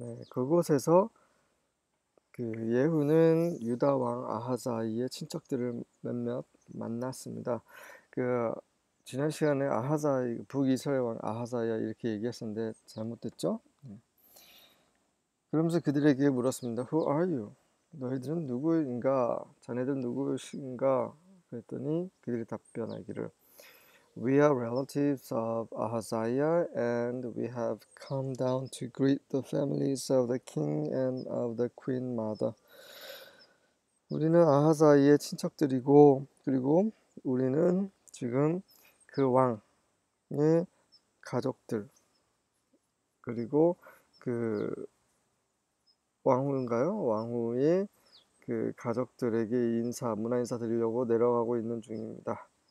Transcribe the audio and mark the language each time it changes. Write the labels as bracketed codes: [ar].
[ko] 그곳에서 그 예후는 유다 왕 아하자이의 친척들을 몇몇 만났습니다. 그 지난 시간에 아하자이, 북이스라엘 왕 아하자야 이렇게 얘기했었는데 잘못됐죠? 그러면서 그들에게 물었습니다. [en] Who are you? [ko] 너희들은 누구인가? 자네들은 누구신가? 그랬더니 그들이 답변하기를 [en] We are relatives of Ahaziah and we have come down to greet the families of the king and of the queen mother. [ko] 우리는 아하자이의 친척들이고, 그리고 우리는 지금 그 왕의 가족들, 그리고 그 왕후인가요? 왕후의 그 가족들에게 인사, 문화 인사 드리려고 내려가고 있는 중입니다.